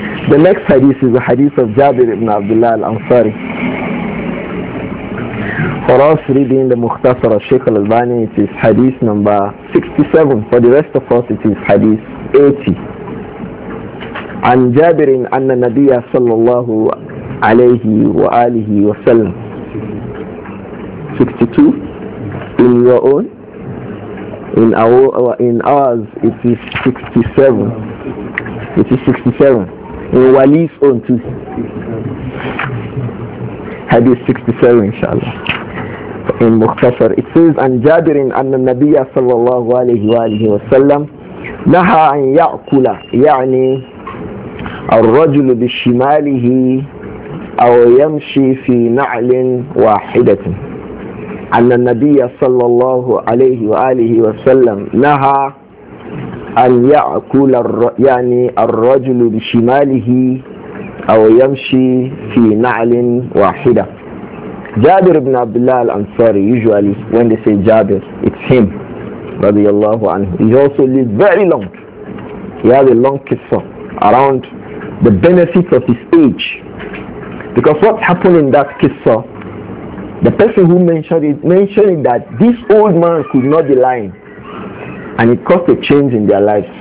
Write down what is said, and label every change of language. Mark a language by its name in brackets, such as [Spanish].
[English] The next hadith is the hadith of Jabir ibn Abdullah al-Ansari. For us reading the Mukhtasar of Sheikh al-Albani, it is hadith number 67. For the rest of us, it is hadith 80. [Arabic] عن جابر أن النبي صلى الله عليه وآله وسلم [English] 62 in your own. In our, in ours, it is 67. It is 67. In Wali's own too. Hadith 67, inshallah. In Mukhtasar, it says, [Arabic] "An Jabirin an Nabiya sallallahu alayhi wa alayhi wa sallam naha an ya'kula, ya'ni الرجل بشماله أو يمشي في نعل واحدة. أن النبي صلى الله عليه وآله وسلم نهى أن يأكل يعني الرجل بشماله أو يمشي في نعل واحدة." جابر بن عبد الله الأنصاري. [English] Usually when they say Jabir, it's him [Arabic] رضي الله عنه. [English] He also lived very long. He had a long kisah around the benefits of his age. Because what happened in that kissa, the person who mentioned it that this old man could not be lying, and it caused a change in their lives.